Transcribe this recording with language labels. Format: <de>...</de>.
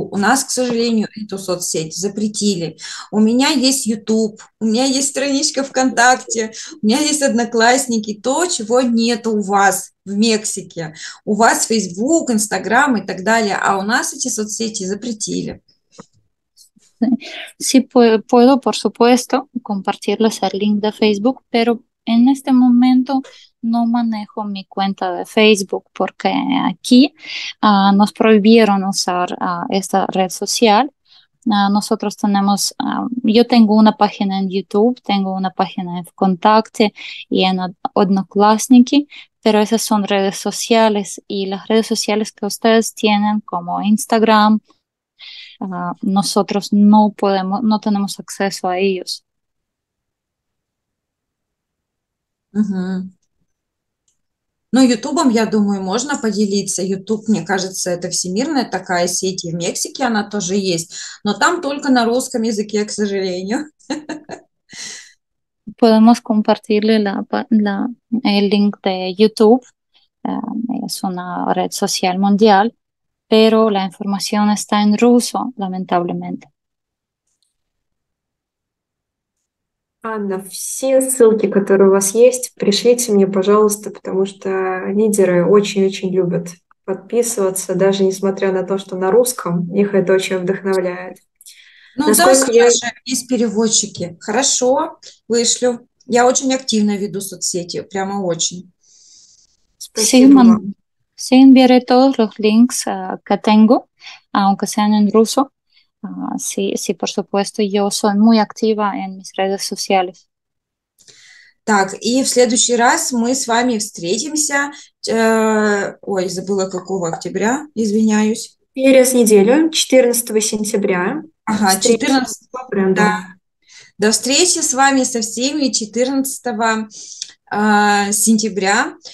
<ru>У нас, к сожалению, эту соцсеть запретили. У меня есть YouTube, у меня есть страничка ВКонтакте, у меня есть Одноклассники, то, чего нет у вас в Мексике. У вас Facebook, Instagram и так далее, а у нас эти соцсети запретили.</ru> <es>Sí, puedo, por supuesto, compartirles el link de Facebook, pero en este momento no manejo mi cuenta de Facebook porque aquí nos prohibieron usar esta red social. Nosotros tenemos, yo tengo una página en YouTube, tengo una página en ВКонтакте y en Одноклассники, pero esas son redes sociales y las redes sociales que ustedes tienen como Instagram, nosotros no podemos, no tenemos acceso a ellos.</es> <ru>Ну, Ютубом, я думаю, можно поделиться. Ютуб, мне кажется, это всемирная такая сеть, и в Мексике она тоже есть. Но там только на русском языке, к сожалению.</ru> <es>Podemos compartirle el link de YouTube, es una red social mundial, pero la información está en ruso, lamentablemente.</es> <ru>Анна, все ссылки, которые у вас есть, пришлите мне, пожалуйста, потому что лидеры очень-очень любят подписываться, даже несмотря на то, что на русском, их это очень вдохновляет. Ну Насколько да, Саша, есть переводчики. Хорошо, вышлю. Я очень активно веду соцсети, прямо очень. Спасибо.</ru> <es>Sin veré todos los links que tengo, aunque sean en ruso. Sí, sí, por supuesto, yo soy muy activa en mis redes sociales.</es> <ru>Так, и в следующий раз мы с вами встретимся. Ой, забыла, какого октября, извиняюсь. Через неделю, 14 сентября. Ага, 14-го, да. До встречи с вами со всеми 14 сентября.</ru>